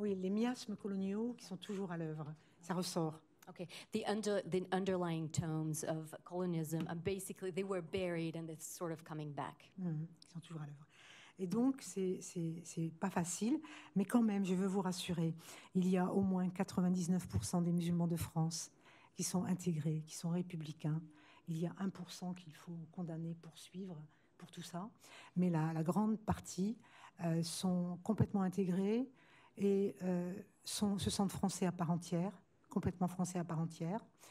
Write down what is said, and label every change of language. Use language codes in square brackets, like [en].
[fr] Oui, les miasmes coloniaux qui sont toujours à l'œuvre. Ça ressort. [en] Okay, the underlying tones of colonialism are basically they were buried and it's sort of coming back. [fr] Ils sont toujours à l'œuvre. Et donc c'est pas facile, mais quand même, je veux vous rassurer. Il y a au moins 99% des musulmans de France qui sont intégrés, qui sont républicains. Il y a 1% qu'il faut condamner, poursuivre pour tout ça. Mais la grande partie sont complètement intégrés et se sentent français à part entière, complètement français à part entière.